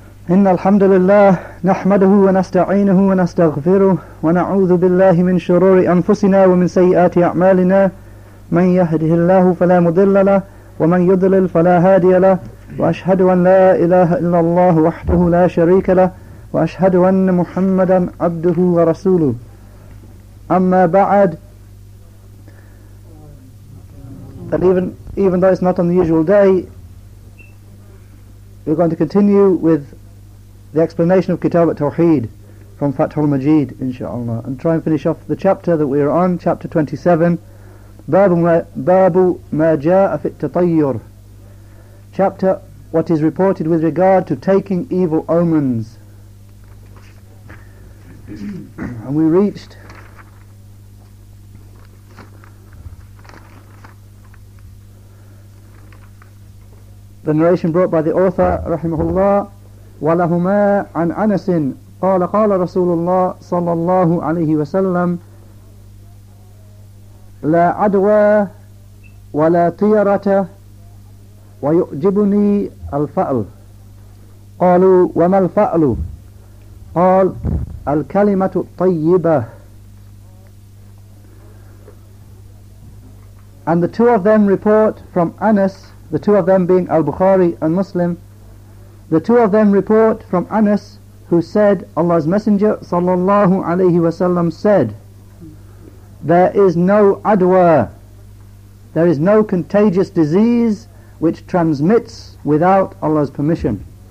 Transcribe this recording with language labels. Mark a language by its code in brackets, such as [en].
[ar] إن الحمد لله نحمده ونستعينه ونستغفره ونعوذ بالله من شرور أنفسنا ومن سيئات أعمالنا من يهده الله فلا مضل له ومن يضلل فلا هادي له وأشهد أن لا إله إلا الله وحده لا شريك له وأشهد أن محمدا عبده ورسوله أما بعد. [en] Even though it's not on the usual day, we're going to continue with the explanation of Kitab al-Tawheed from Fath al-Majid, inshallah, and try and finish off the chapter that we're on, chapter 27, Babu Ma Ja'a Fi at-Tatayyur, chapter what is reported with regard to taking evil omens. And we reached the narration brought by the author, [ar] rahimahullah, وَلَهُمَا عَنْ أَنَسٍ قَالَ قَالَ رَسُولُ اللَّهِ صَلَّى اللَّهُ عَلَيْهِ وَسَلَّمَ لَا عَدْوَى وَلَا طِيَرَةَ وَيُعْجِبُنِي الْفَأْلُ قَالُوا وَمَا الْفَأْلُ قَالَ الْكَلِمَةُ الطَّيِّبَةُ. [en] And the two of them report from Anas, the two of them being Al-Bukhari and Muslim, the two of them report from Anas, who said, Allah's Messenger sallallahu alayhi wa sallam said, there is no adwa, there is no contagious disease which transmits without Allah's permission.